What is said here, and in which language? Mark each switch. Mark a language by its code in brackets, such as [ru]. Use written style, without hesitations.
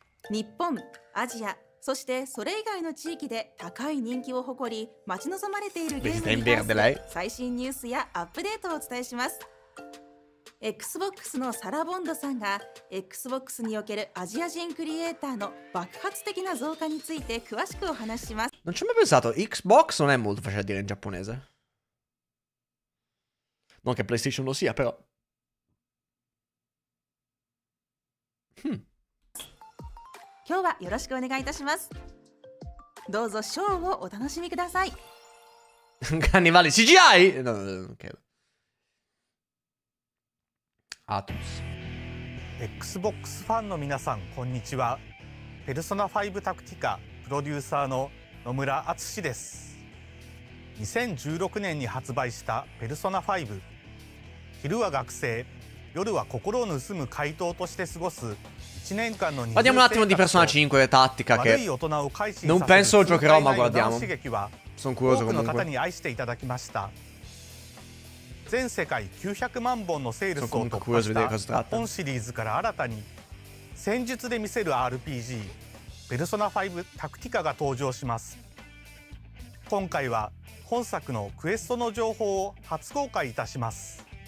[ja] 日本、アジア、そしてそれ以外の地域で高い人気を誇り、待ち望まれているゲームに関する最新ニュースやアップデートをお伝えします。 Xbox のサラボンドさんが Xbox におけるアジア人クリエイターの爆発的な増加について詳しくお話しします。 [it] Non ci ho mai pensato, Xbox non è molto facile da dire in giapponese. Non che PlayStation lo sia, però. [ja] 今日はよろしくお願いいたします。どうぞショーをお楽しみください。 [it] Cannibale CGI? No, no, no, ok. Atos. [ja] Xbox ファンの皆さん、こんにちは。ペルソナ5タクティカプロデューサーの野村敦史です。 2016年に発売したペルソナ5。昼は学生、夜は心を盗む怪盗として過ごす1年間の [it] Guardiamo un attimo di Persona 5 e Tattica che non penso giocherò, ma guardiamo. Sono curioso comunque. [ja] 多くの方に愛していただきました。全世界900万本のセールスを突破した本シリーズから新たに戦術で見せる RPG ペルソナ5タクティカが登場します。今回は本作のクエストの情報を初公開いたします。